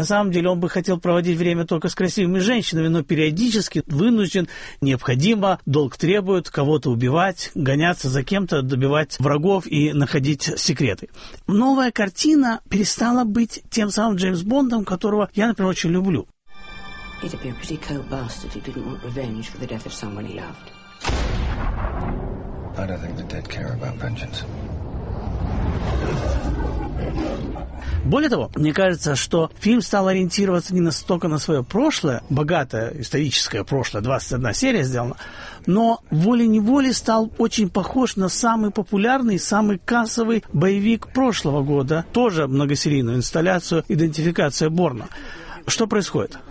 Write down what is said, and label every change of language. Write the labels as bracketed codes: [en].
[ru] На самом деле он бы хотел проводить время только с красивыми женщинами, но периодически вынужден, необходимо, долг требует кого-то убивать, гоняться за кем-то, добивать врагов и находить секреты. Новая картина перестала быть тем самым Джеймс Бондом, которого я, например, очень люблю. [en] He'd be a pretty cold bastard if he didn't want revenge for the death of someone he loved. I don't think the dead care about vengeance. [ru] Более того, мне кажется, что фильм стал ориентироваться не настолько на свое прошлое, богатое историческое прошлое, 21 серия сделана, но волей-неволей стал очень похож на самый популярный, самый кассовый боевик прошлого года, тоже многосерийную инсталляцию «Идентификация Борна». Что происходит?